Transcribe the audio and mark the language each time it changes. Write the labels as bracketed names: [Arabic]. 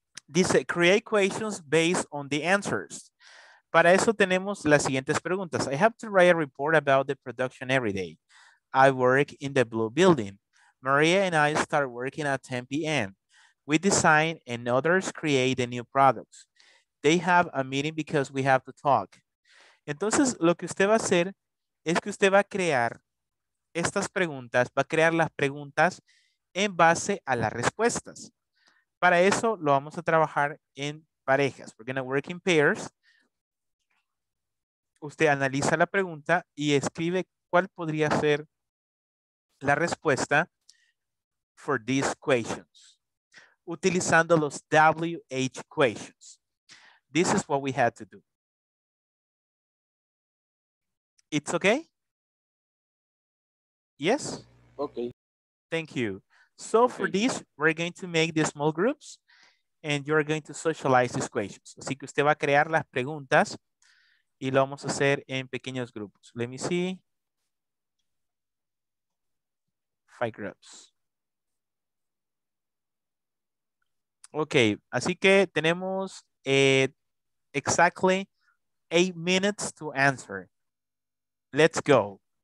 [Spanish] Dice, [English] create questions based on the answers. [Spanish] Para eso tenemos las siguientes preguntas. [English] I have to write a report about the production every day. I work in the blue building. Maria and I start working at 10 p.m. We design and others create the new products. They have a meeting because we have to talk. [Spanish] Entonces, lo que usted va a hacer es que usted va a crear estas preguntas, va a crear las preguntas en base a las respuestas. Para eso, lo vamos a trabajar en parejas. [English] We're going to work in pairs. [Spanish] Usted analiza la pregunta y escribe cuál podría ser la respuesta [English] for these questions, [Spanish] utilizando los WH questions. [English] This is what we had to do. It's okay? Yes? Okay. Thank you. So okay. For this, we're going to make the small groups and you're going to socialize these questions. [Spanish] Así que usted va a crear las preguntas y lo vamos a hacer en pequeños grupos. [English] Let me see. 5 groups. Okay. [Spanish] Así que tenemos [English] exactly 8 minutes to answer. Let's go.